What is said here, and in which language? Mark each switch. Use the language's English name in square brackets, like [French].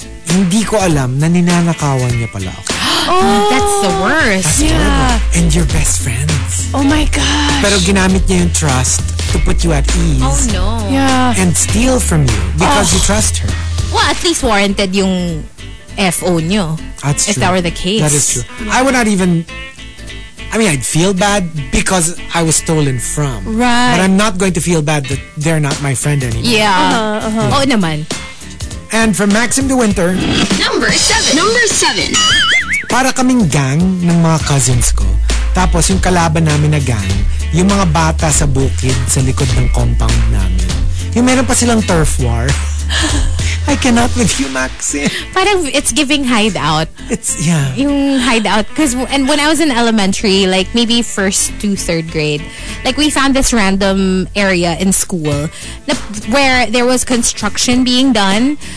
[Filipino] Hindi ko alam na ninanakawan niya pala ako. [English] Oh, that's the worst. That's horrible. And your best friend. Oh my gosh. [Filipino] Pero ginamit niya yung trust [English] to put you at ease. Oh no. Yeah. And steal from you because you trust her. [Filipino] Well, at least warranted yung FO nyo. [English] That's true. If that were the case. That is true. Yeah. I would not even... I mean, I'd feel bad because I was stolen from. Right. But I'm not going to feel bad that they're not my friend anymore. Yeah. Uh-huh, uh-huh. Yeah. Oh, naman. And from Maxim to Winter. Number 7. [Filipino] Para kaming gang ng mga cousins ko. Tapos yung kalaban namin na gang, yung mga bata sa bukid sa likod ng compound namin. Yung meron pa silang turf war. [English] I cannot with you, Maxine. [Filipino] Parang [English] it's giving hideout. It's, yeah. [Filipino] Yung hideout. [English] Cause, and when I was in elementary, like maybe first to third grade, like we found this random area in school where there was construction being done.